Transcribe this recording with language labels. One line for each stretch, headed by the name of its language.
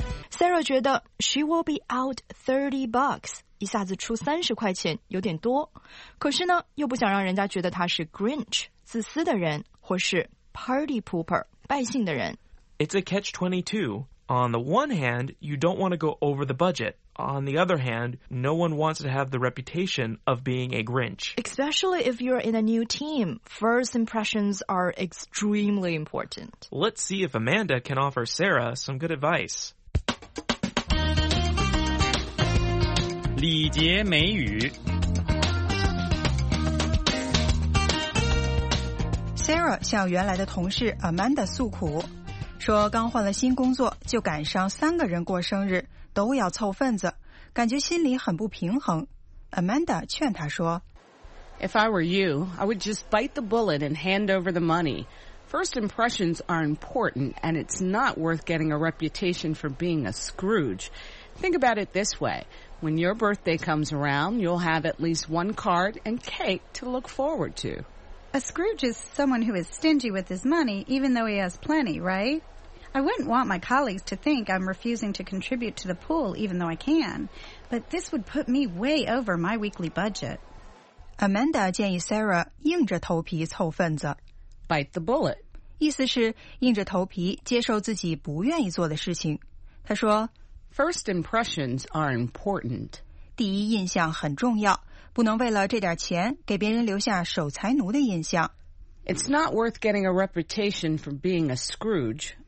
Chinese: Sarah 觉得
English: she will be out $30，
Chinese: 一下子出30块钱有点多，可是呢又不想让人家觉得他是 Grinch 自私的人，或是 party pooper 败兴的人。
English: It's a catch-22. On the one hand, you don't want to go over the budget. On the other hand, no one wants to have the reputation of being a Grinch. Especially if you're in a new team, first impressions are extremely important. Let's see if Amanda can offer Sarah some good advice.
Chinese: 礼节美语。 Sarah 向原来的同事 Amanda 诉苦，说刚换了新工作就赶上三个人过生日，都要凑份子，感觉心里很不平衡。 Amanda 劝她说，
English: If I were you, I would just bite the bullet and hand over the money. First impressions are important, and it's not worth getting a reputation for being a Scrooge. Think about it this way. When your birthday comes around, you'll have at least one card and cake to look forward to. A Scrooge is someone who is stingy with his money, even though he has plenty, right? I wouldn't want my colleagues to think I'm refusing to contribute to the pool, even though I can. But this would put me way over my weekly budget.
Chinese: Amanda 建议 Sarah 硬着头皮凑份子。
English: Bite the bullet.
Chinese: 意思是硬着头皮接受自己不愿意做的事情。她说
English: First impressions are important.
Chinese: 第一印象很重要，不能为了这点钱给别人留下守财奴的印象。
English: It's not worth getting a reputation for being a Scrooge.